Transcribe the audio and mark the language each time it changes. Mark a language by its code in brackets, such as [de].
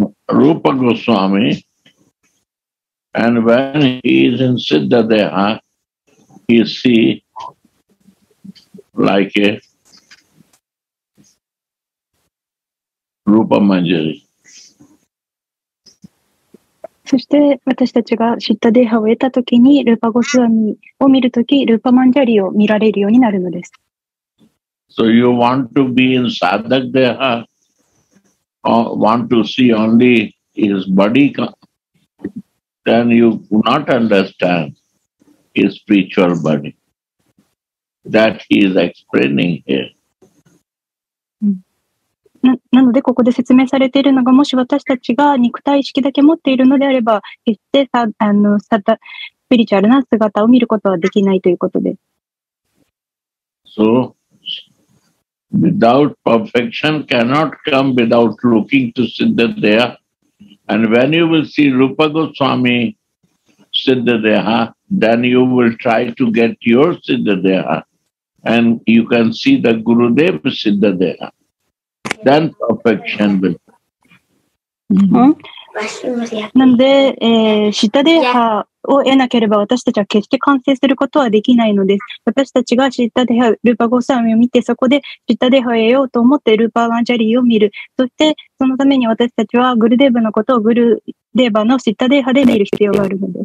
[en] Rupa Goswami, and when he is in Siddha Deha, he see like a Rupa Manjari. [ja] そして私たちがシッダデハを得たときに、ルーパゴスワミを見るとき、ルーパマンジャリを見られるようになるのです。 [en] So you want to be in Sadhak Deha or want to see only his body, then you do not understand his spiritual body. That he is explaining here. [ja] なので、ここで説明されているのが、もし私たちが肉体意識だけ持っているのであれば、決してスピリチュアルな姿を見ることはできないということです [en] 。 So,Without perfection cannot come without looking to Siddha Deha. And when you will see Rupa Goswami Siddha Deha, then you will try to get your Siddha Deha. And you can see the Gurudev Siddha Deha. Then perfection will come. [ja] なので、シッダデーハを得なければ私たちは決して完成することはできないのです。私たちがシッダデーハ、ルーパゴサミを見て、そこでシッダデーハを得ようと思ってルーパーマンジャリーを見る。そしてそのために私たちはグルデーバのことをグルデーバのシッダデーハで見る必要があるのです。